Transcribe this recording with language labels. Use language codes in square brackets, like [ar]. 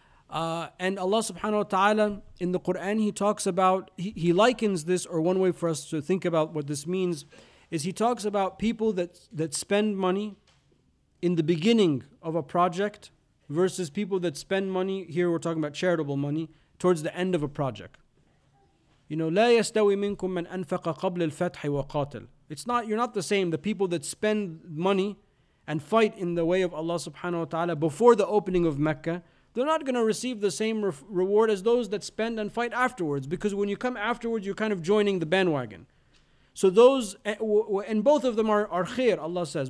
[en] And Allah subhanahu wa ta'ala in the Qur'an, he talks about, he likens this, or one way for us to think about what this means, is he talks about people that spend money in the beginning of a project versus people that spend money, here we're talking about charitable money, towards the end of a project. You know, [ar] لا يستوي منكم من أنفق قبل الفتح وقاتل. [en] You're not the same, the people that spend money and fight in the way of Allah subhanahu wa ta'ala before the opening of Mecca, they're not going to receive the same reward as those that spend and fight afterwards, because when you come afterwards, you're kind of joining the bandwagon. So those, and both of them are khair, Allah says.